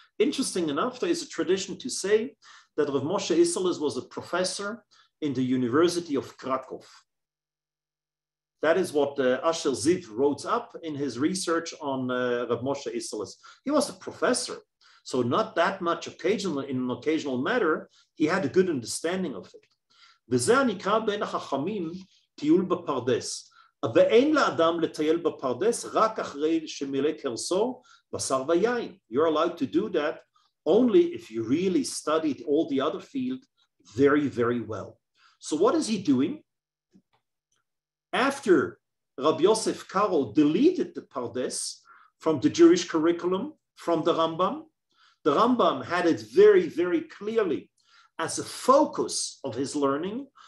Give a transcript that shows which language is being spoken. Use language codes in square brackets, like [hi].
[en] Interesting enough, there is a tradition to say that Rav Moshe Isserles was a professor in the University of Krakow. That is what Asher Ziv wrote up in his research on Rav Moshe Isserles. He was a professor. So not that much occasionally, in an occasional matter, he had a good understanding of it. [he] וזה הנקרא בין החכמים טיול בפרדס. ואין לאדם לטייל בפרדס רק אחרי שמילא כרסו בשר ויין. [en] You're allowed to do that only if you really studied all the other field very, very well. So what is he doing? After Rabbi Yosef Karo deleted the Pardes from the Jewish curriculum, from the Rambam, the Rambam had it very, very clearly as a focus of his learning.